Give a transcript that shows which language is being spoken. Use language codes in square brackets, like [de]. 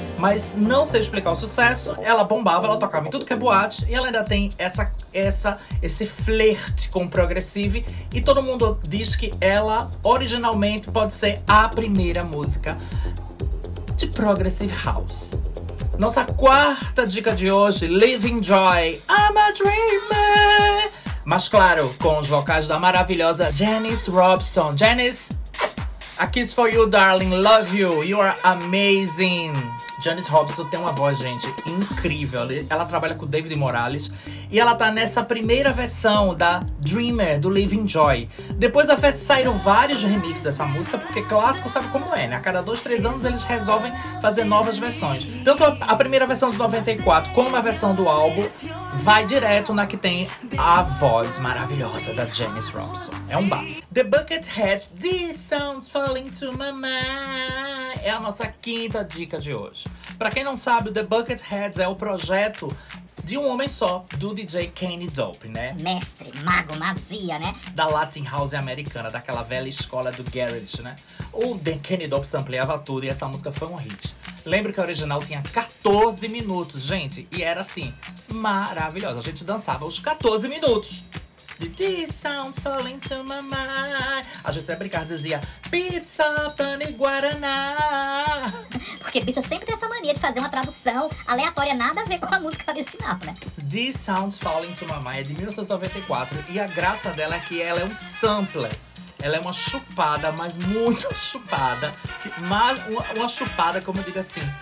[pt] Mas não sei explicar o sucesso, ela bombava, ela tocava em tudo que é boate e ela ainda tem esse flerte com o progressive e todo mundo diz que ela originalmente pode ser a primeira música de Progressive House. Nossa quarta dica de hoje, Living Joy, I'm a Dreamer! Mas claro, com os vocais da maravilhosa Janis Robson. [en] Janis, a kiss for you, darling, love you, you are amazing! [pt] Janis Robson tem uma voz, gente, incrível. Ela trabalha com o David Morales. E ela tá nessa primeira versão da Dreamer, do Living Joy. Depois da festa saíram vários remixes dessa música, porque clássico sabe como é, né? A cada 2-3 anos eles resolvem fazer novas versões. Tanto a primeira versão de 94 como a versão do álbum vai direto na que tem a voz maravilhosa da Janis Robson. É um bafo. [en] The Buckethead, this sounds falling to my mind. [pt] É a nossa quinta dica de hoje. Pra quem não sabe, o The Bucketheads é o projeto de um homem só, do DJ Kenny Dope, né? Mestre, mago, magia, né? Da Latin House americana, daquela velha escola do Garage, né? O Kenny Dope sampleava tudo e essa música foi um hit. Lembro que a original tinha 14 minutos, gente, e era assim, maravilhosa. A gente dançava os 14 minutos. [en] This sounds falling to my mind. [pt] A gente até brincava, dizia pizza, pano e guaraná. Porque bicha sempre tem essa mania de fazer uma tradução aleatória, nada a ver com a música original, né? This sounds falling to my mind é de 1994 e a graça dela é que ela é um sampler. Ela é uma chupada, mas muito chupada. Mas uma chupada, como eu digo assim.